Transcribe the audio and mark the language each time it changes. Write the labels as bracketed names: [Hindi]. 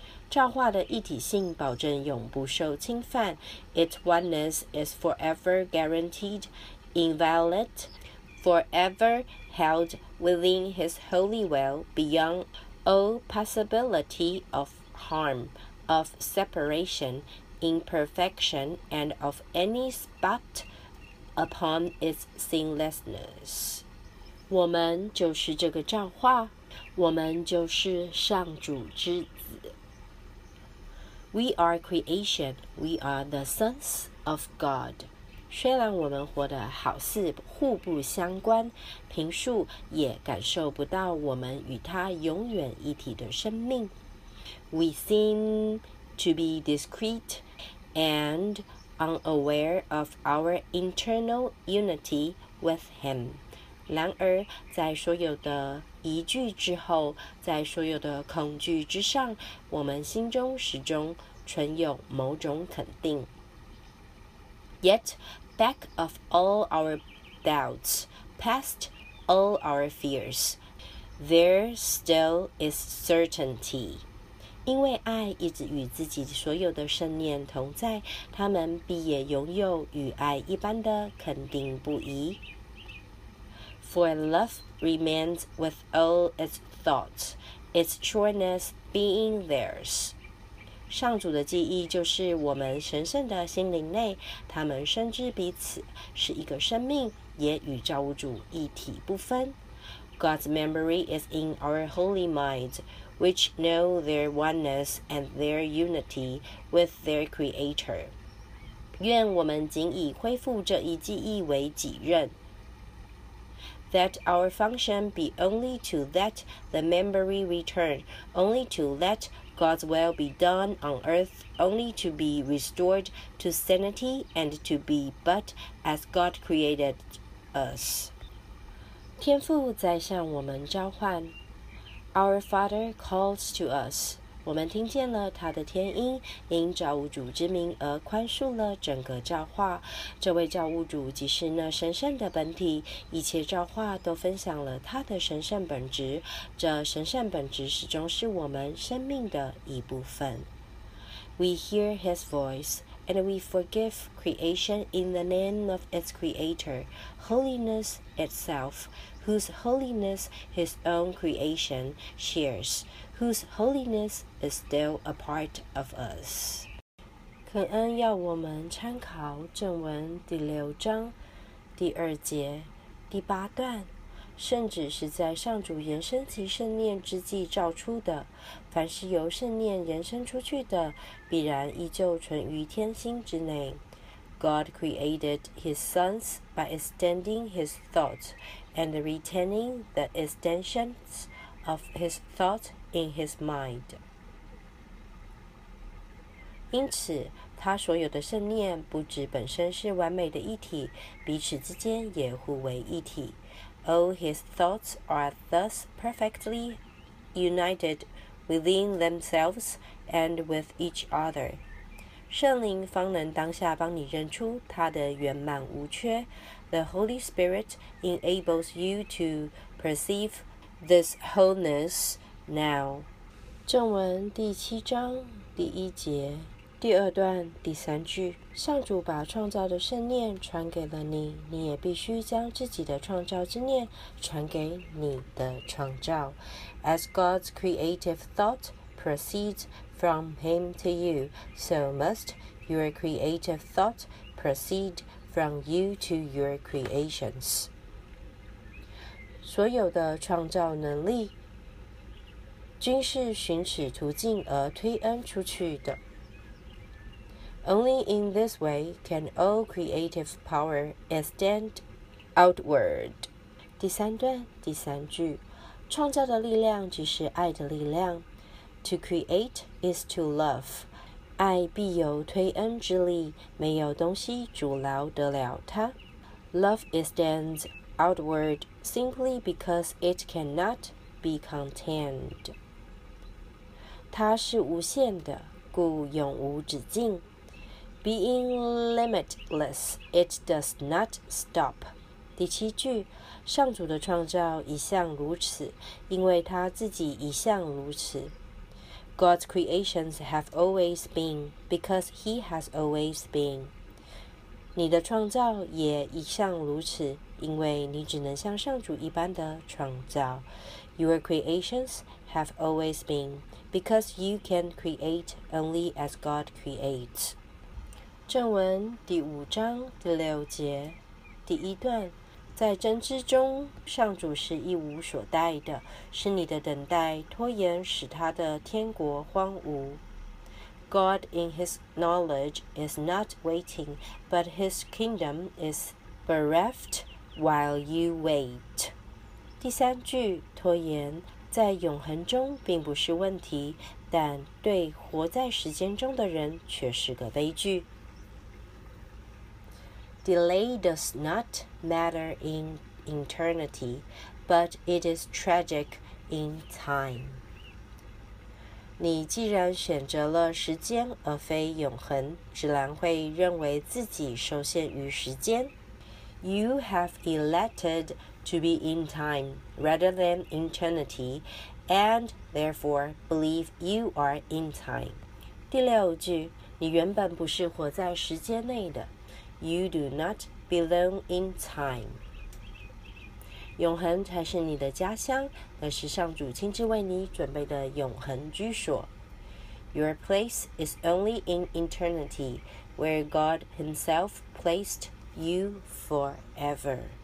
[Chinese] 造化的一体性保证永不受侵犯， [English] Its oneness is forever guaranteed, inviolate, forever held within his holy will, beyond all possibility of harm, of separation, imperfection, and of any spot upon its sinlessness. [Chinese] 我们就是这个造化，我们就是上主之子。 [English] We are creation, we are the sons of God. [Chinese] 虽然我们活得好似互不相关，平素也感受不到我们与他永远一体的生命。 [English] We seem to be discrete and unaware of our internal unity with him. [Chinese] 然而在所有的疑惧之后，在所有的恐惧之上，我们心中始终存有某种肯定。 [English] Yet, back of all our doubts, past all our fears, there still is certainty. [Chinese] 因为爱一直与自己所有的圣念同在，他们必也拥有与爱一般的肯定不移。 [English] For love remains with all its thoughts, its sureness being theirs. [Chinese] 上主的记忆就是我们神圣的心灵内，他们深知彼此是一个生命，也与造物主一体不分。 [English] God's memory is in our holy minds, which know their oneness and their unity with their Creator. [Chinese] 愿我们仅以恢复这一记忆为己任。 [English] That our function be only to let the memory return, only to let God's will be done on earth, only to be restored to sanity and to be but as God created us. [Chinese] 天父在向我们召唤。 [English] Our Father calls to us. [Chinese] 我们听见了他的天音，因造物主之名而宽恕了整个造化。这位造物主即是那神圣的本体，一切造化都分享了他的神圣本质。这神圣本质始终是我们生命的一部分。 [English] We hear His voice, and we forgive creation in the name of its Creator, holiness itself. Whose holiness his own creation shares, whose holiness is still a part of us. [Chinese] 恳恩要我们参考正文第六章第二节第八段，圣旨是在上主延伸其圣念之际造出的，凡是由圣念延伸出去的，必然依旧存于天心之内。 [English] God created his sons by extending his thought and retaining the extensions of his thought in his mind. [Chinese] 因此，他所有的圣念不只本身是完美的一体，彼此之间也互为一体。 [English] All his thoughts are thus perfectly united within themselves and with each other. [Chinese] 圣灵方能当下帮你认出他的圆满无缺。 [English] The Holy Spirit enables you to perceive this wholeness now. [Chinese] 正文第七章第一节第二段第三句，上主把创造的圣念传给了你，你也必须将自己的创造之念传给你的创造。 [English] As God's creative thought proceeds from him to you, so must your creative thought proceed from you to your creations. [Chinese] 所有的创造能力均是循此途径而推恩出去的。 [English] Only in this way can all creative power extend outward. [Chinese] 第三段第三句，创造的力量即是爱的力量。 [English] To create is to love. [Chinese] 爱必有推恩之力，没有东西阻挠得了它。 [English] Love extends outward simply because it cannot be contained. [Chinese] 它是无限的，故永无止境。 [English] Being limitless, it does not stop. [Chinese] 第七句，上主的创造一向如此，因为他自己一向如此。 [English] God's creations have always been because he has always been. [Chinese] 你的创造也一向如此，因为你只能像上主一般的创造。 [English] Your creations have always been because you can create only as God creates. [Chinese] 正文第五章第六节第一段，在真知中，上主是一无所待的，是你的等待拖延使他的天国荒芜。 [English] God in his knowledge is not waiting, but his kingdom is bereft while you wait. [Chinese] 第三句，拖延在永恒中并不是问题，但对活在时间中的人却是个悲剧。 [English] Delay does not matter in eternity, but it is tragic in time. [Chinese] 你既然选择了时间而非永恒，自然会认为自己受限于时间。 [English] You have elected to be in time rather than eternity, and therefore believe you are in time. [Chinese] 第六句，你原本不是活在时间内的。 [English] You do not belong in time. [Chinese] 永恒才是你的家乡，那是上主亲自为你准备的永恒居所。 [English] Your place is only in eternity, where God Himself placed you forever.